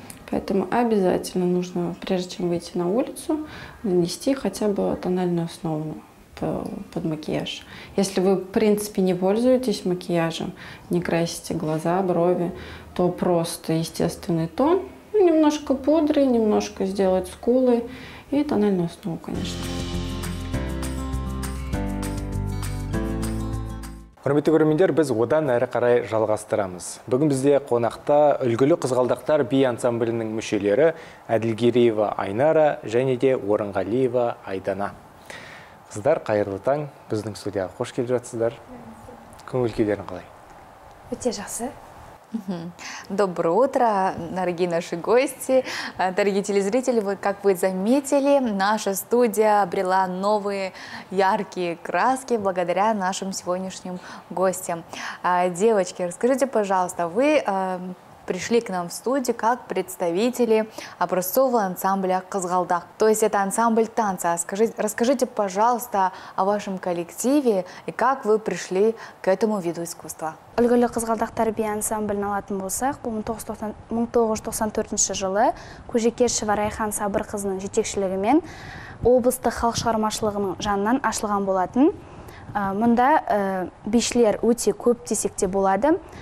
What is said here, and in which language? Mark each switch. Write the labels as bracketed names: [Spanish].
[Russian] Поэтому обязательно нужно, прежде чем выйти на улицу, нанести хотя бы тональную основу под макияж. Если вы, в принципе, не пользуетесь макияжем, не красите глаза, брови, то просто естественный тон, немножко пудры, немножко сделать скулы и тональную основу, конечно. [Kazakh] Құрметті көрермендер, біз одан әрі қарай жалғастырамыз. Бүгін бізде қонақта үлгілі қызғалдақтар би ансамблінің мүшелері Әділгереева Айнара және де Орынғалиева Айдана. Қыздар, қайырлы таң, біздің студияға қош келіп жатсыздар. Көңіл күйлерің қалай? Өте жақсы. [Russian] Доброе утро, дорогие наши гости, дорогие телезрители. Вы, как вы заметили, наша студия обрела новые яркие краски благодаря нашим сегодняшним гостям. Девочки, расскажите, пожалуйста, вы пришли к нам в студию как представители образцового ансамбля «Кызгалдак». То есть это ансамбль танца. Расскажите, пожалуйста, о вашем коллективе и как вы пришли к этому виду искусства. [Kazakh] Үлгілі «Кызгалдақ» тәрбе ансамблін алатын болсақ, бұл 1994 жылы Көжекешева Райхан Сабыр қызының жетекшілігімен облыстық халық шығармашылығының жанынан ашылған болатын. Мұнда бишілер өте көп десекте болады.